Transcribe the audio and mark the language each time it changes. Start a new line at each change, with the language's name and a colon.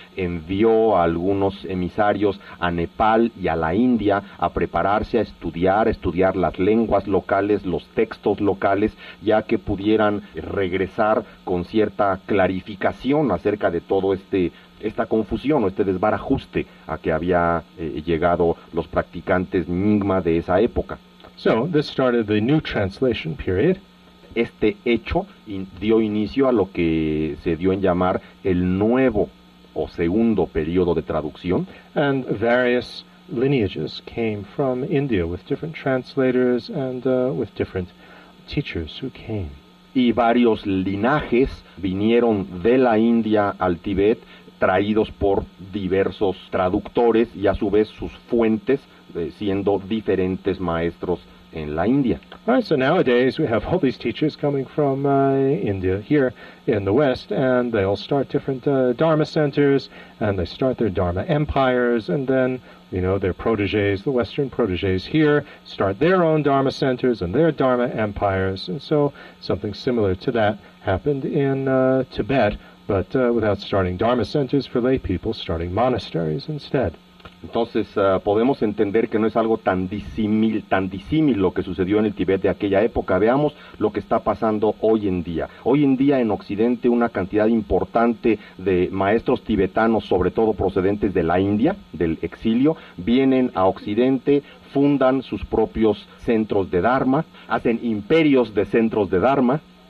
Spanish: envió a algunos emisarios a Nepal y a la India a prepararse a estudiar las lenguas locales, los textos locales, ya que pudieran regresar con cierta clarificación acerca de todo esta confusión o este desbarajuste a que había llegado los practicantes Nyingma de esa época.
English: So, this started the new translation period.
Spanish: Este hecho dio inicio a lo que se dio en llamar el nuevo o segundo periodo de traducción.
English: And various lineages came from India with different translators and with different teachers who came.
Spanish: Y varios linajes vinieron de la India al Tíbet, traídos por diversos traductores y a su vez sus fuentes siendo diferentes maestros en la India.
English: All right, so nowadays we have all these teachers coming from India here in the West, and they all start different dharma centers, and they start their dharma empires, and then, you know, their proteges, the Western proteges here, start their own dharma centers and their dharma empires, and so something similar to that happened in Tibet, but without starting dharma centers for lay people, starting monasteries instead.
Spanish: Entonces, podemos entender que no es algo tan disímil lo que sucedió en el Tíbet de aquella época. Veamos lo que está pasando hoy en día. Hoy en día en Occidente una cantidad importante de maestros tibetanos, sobre todo procedentes de la India, del exilio, vienen a Occidente, fundan sus propios centros de dharma, hacen imperios de centros de dharma.